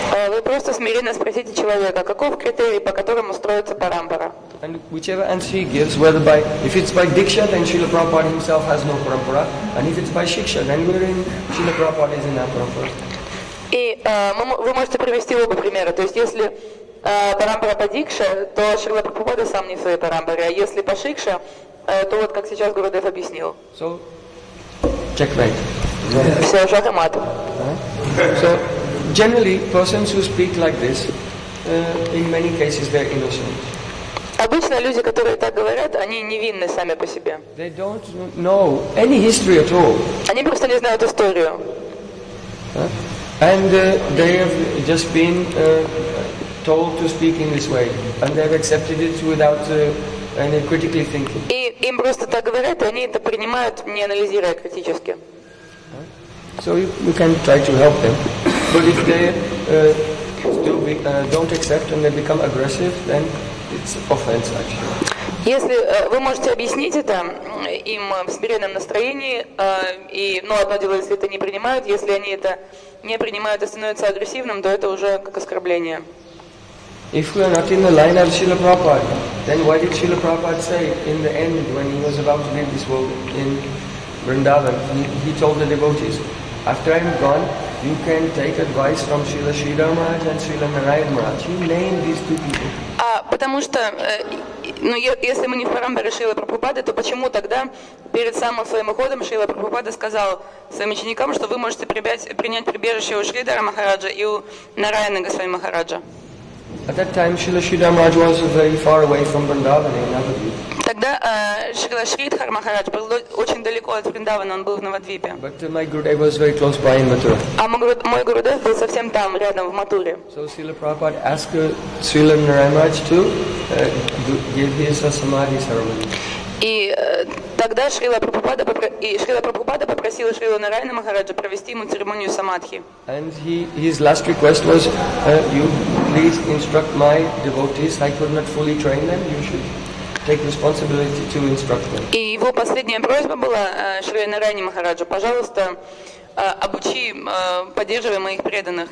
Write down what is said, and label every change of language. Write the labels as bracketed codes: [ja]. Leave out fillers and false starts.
[ru] Вы просто смиренно спросите человека, каков критерий, по которому строится парампара. [en] And whichever answer he gives, whether by, if it's by Diksha, then Srila Prabhupada himself has no parampara. And if it's by Shiksha, then we're in, Srila Prabhupada is in that parampara. [ru] И вы можете привести оба примера. То есть если парампара по Дикше, то Шрила Прабхупада сам не в своей парампаре. А если по Шикше, то вот как сейчас Гурудев объяснил. [en] So, checkmate. [ru] Все, шахмат. [en] So, generally, persons who speak like this, in many cases, they're innocent. [ru] Обычно люди, которые так говорят, они невинны сами по себе. [en] They don't know any history at all. [ru] Они просто не знают историю. [en] And they have just been told to speak in this way, and they have accepted it without any critically thinking. [ru] И им просто так говорят, и они это принимают, не анализируя критически. [en] So you can try to help them, but if they still don't accept and they become aggressive, then it's offense actually. [ru] Если вы можете объяснить это им в смиренном настроении, и ну одно дело, если это не принимают, если они это не принимают и становятся агрессивным, то это уже как оскорбление. [en] If we are not in the line of Srila Prabhupada, then why did Srila Prabhupada say in the end when he was about to leave this world in Vrindavan, he told the devotees, after I'm gone, you can take advice from Srila Sridhar Maharaj and Srila Narayan Maharaj. He named these two people. [ru] Потому что, ну, если мы не в парампаре Шрилы Прабхупады, то почему тогда перед самым своим уходом Шрила Прабхупада сказал своим ученикам, что вы можете принять прибежище у Шридхара Махараджа и у Нараяны Госвами Махараджа? [en] At that time, Srila Sridhar Maharaj was very far away from Vrindavan in Navadvip. [ru] Тогда Шрила Шридхар Махарадж был очень далеко от Вриндавана, он был в Навадвипе. [en] But my Gurudev was very close by in Mathura. [ru] А мой Гурудев был совсем там, рядом, в Матуре. [en] So Srila Prabhupada asked Srila Narayan Maharaj to give his a samadhi ceremony. [ru] И тогда Шрила Прабхупада попросил Шрилу Нараяна Махараджа провести ему церемонию самадхи. [en] And his last request was, you please instruct my devotees. I could not fully train them. You should take responsibility to instruct them. [ru] И его последняя просьба была Шрилу Нараяна Махараджа, пожалуйста, обучи, поддерживай моих преданных.